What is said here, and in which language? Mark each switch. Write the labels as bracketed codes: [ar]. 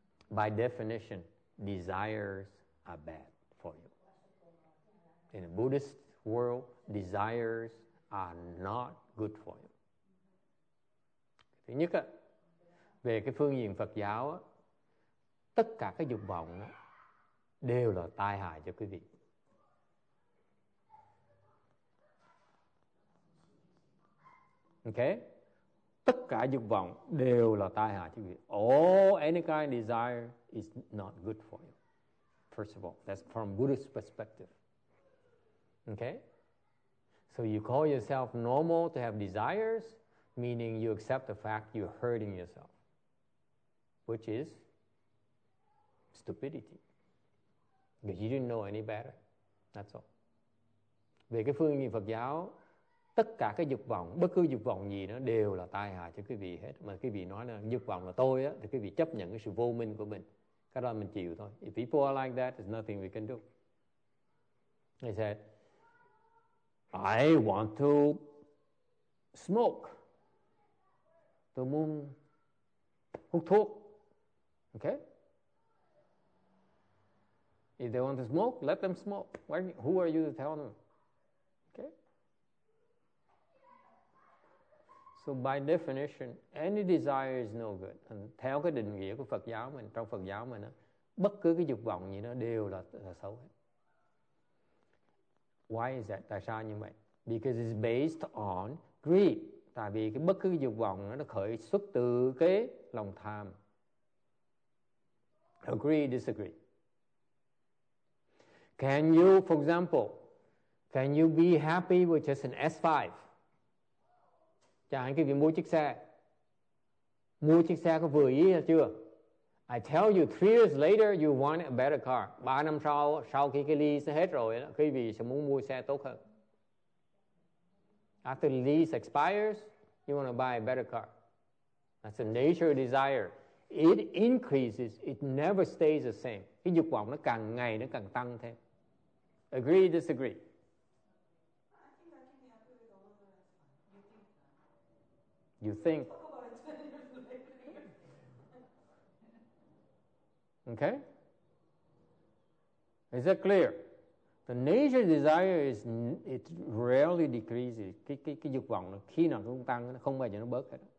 [en] By definition, desires are bad for you. In a Buddhist world, desires are not good for you. [vi] Thứ nhất, á, về cái phương diện Phật giáo, á, tất cả cái dục vọng á, đều là tai hại cho quý vị. Ok? Tất cả dục vọng đều là tai hại cho quý vị. [en] All any kind of desire is not good for you. First of all, that's from Buddhist perspective. Okay? So you call yourself normal to have desires, meaning you accept the fact you're hurting yourself, which is stupidity. Because you didn't know any better. That's all. [vi] Về cái phương diện Phật giáo, tất cả cái dục vọng, bất cứ dục vọng gì nó đều là tai hại cho quý vị hết. Mà quý vị nói là dục vọng là tôi á, thì quý vị chấp nhận cái sự vô minh của mình. Cái đó mình chịu thôi. [en] If people are like that, there's nothing we can do. He said, I want to smoke. [vi] Tôi muốn hút thuốc. Okay? [en] If they want to smoke, let them smoke. Who are you to tell them? So by definition, any desire is no good. [vi] And theo cái định nghĩa của Phật giáo mình, trong Phật giáo mình, bất cứ cái dục vọng gì nó đều là xấu hết. [en] Why is that? [vi] Tại sao như vậy? [en] Because it's based on greed. [vi] Tại vì cái bất cứ cái dục vọng nó khởi xuất từ cái lòng tham. [en] Agree, disagree. Can you, for example, can you be happy with just an S5? [vi] Chẳng hạn quý vị mua chiếc xe. Mua chiếc xe có vừa ý hay chưa? [en] I tell you, 3 years later, you want a better car. [vi] 3 năm sau, sau khi cái lease hết rồi, quý vị sẽ muốn mua xe tốt hơn. [en] After the lease expires, you want to buy a better car. That's the nature of desire. It increases. It never stays the same. [vi] Cái dục vọng nó càng ngày nó càng tăng thêm. [en] Agree, disagree. You think. Okay? Is that clear? The nature of desire is it rarely decreases. [vi] Cái dục vọng nó khi nào cũng tăng, nó không bao giờ nó bớt hết.